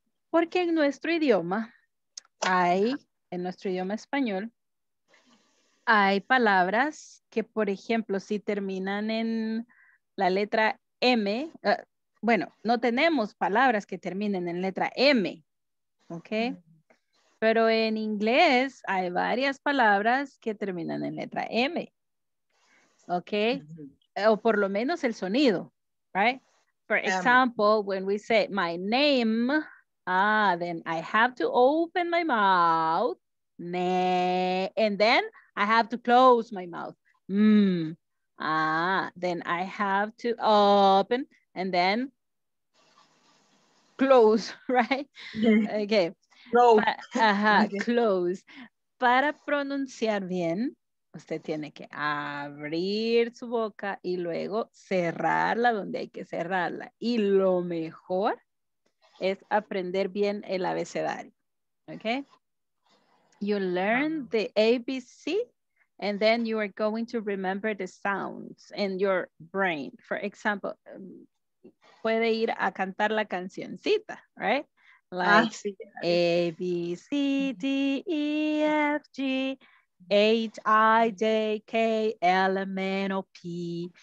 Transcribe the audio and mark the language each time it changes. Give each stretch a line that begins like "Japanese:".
Spanish: Porque en nuestro idioma español, hay palabras que, por ejemplo, si terminan en la letra M, bueno, no tenemos palabras que terminen en letra M, ¿ok? Pero en inglés hay varias palabras que terminan en letra M, ¿ok? O por lo menos el sonido, right?
English: For example, when we say my name, then I have to open my mouth, and then I have to close my mouth. Then I have to open and then close, right? Okay. Close.
Spanish: Para pronunciar bien, usted tiene que abrir su boca y luego cerrarla donde hay que cerrarla. Y lo mejor es aprender bien el abecedario, okay?
English: You learn the ABC and then you are going to remember the sounds in your brain. For example,
Spanish: puede ir a cantar la cancioncita, right? Like sí.
English: A, B, C, D, E, F, G, H, I, J, K, L, M, N, O, P.